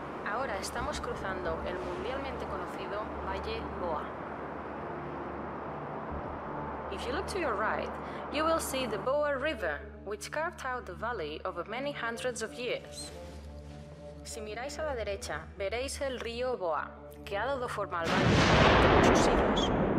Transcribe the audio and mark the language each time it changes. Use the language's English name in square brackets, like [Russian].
[Spanish] Ahora estamos cruzando el mundialmente conocido Valle Boa. [English] If you look to your right, you will see the Boa River, which carved out the valley over many hundreds of years. [Spanish] Si miráis a la derecha, veréis el río Boa, que ha dado forma al valle durante muchos siglos.